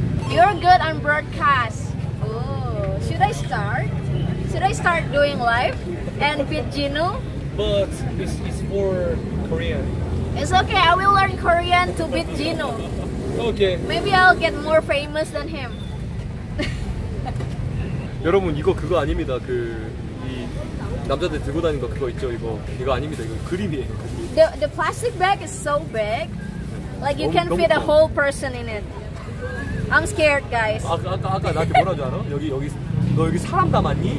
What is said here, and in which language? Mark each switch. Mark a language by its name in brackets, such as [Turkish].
[English] You're good on broadcast. Oh, should I start? Should I start doing live and beat Jinu? But it's for Korean. It's okay, I will learn Korean to beat Jinu. Okay. Maybe I'll get more famous than him. [Korean] 여러분 이거 그거 아닙니다. 그 이 남자들 들고 다니는 거 그거 있죠. 이거 아닙니다. 이거 그림이에요. [English] The plastic bag is so big. Like you 너무, can fit 너무, a whole person in it. I'm scared, guys. [Korean] 아까 나한테 뭐라 하지 않아? 여기 너 여기 사람 담았니?